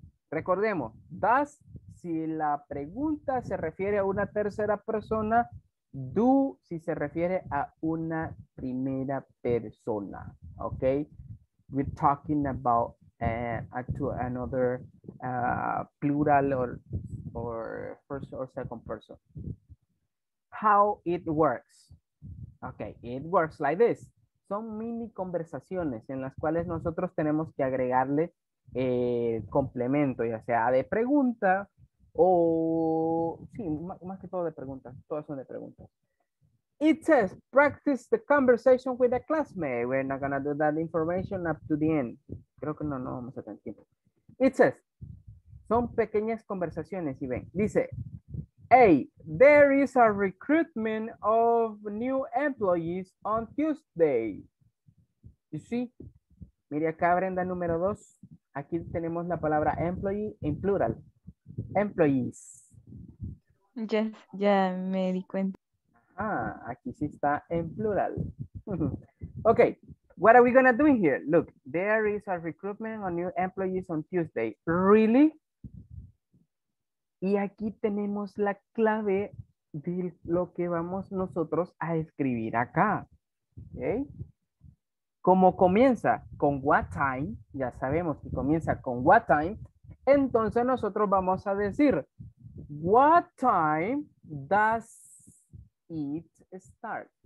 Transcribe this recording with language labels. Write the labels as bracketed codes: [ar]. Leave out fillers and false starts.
[es] Recordemos, does, si la pregunta se refiere a una tercera persona, do, si se refiere a una primera persona. [en] Ok, we're talking about to another plural or first or second person. How it works? Okay, it works like this. [es] Son mini conversaciones en las cuales nosotros tenemos que agregarle el complemento, ya sea de pregunta o sí, más que todo de preguntas. Todas son de preguntas. [en] It says, practice the conversation with a classmate. We're not going to do that information up to the end. [es] Creo que no vamos a tener tiempo. [en] It says, [es] son pequeñas conversaciones, y ven. [en] Dice, hey, there is a recruitment of new employees on Tuesday. You see? [es] Mire acá, Brenda, número dos. Aquí tenemos la palabra employee en plural. Employees. Yes, ya me di cuenta. Ah, aquí sí está en plural. [en] Okay, what are we going to do here? Look, there is a recruitment of new employees on Tuesday. Really? [es] Y aquí tenemos la clave de lo que vamos nosotros a escribir acá. Okay. Como comienza con what time, ya sabemos que comienza con what time, entonces nosotros vamos a decir, [en] what time does it start.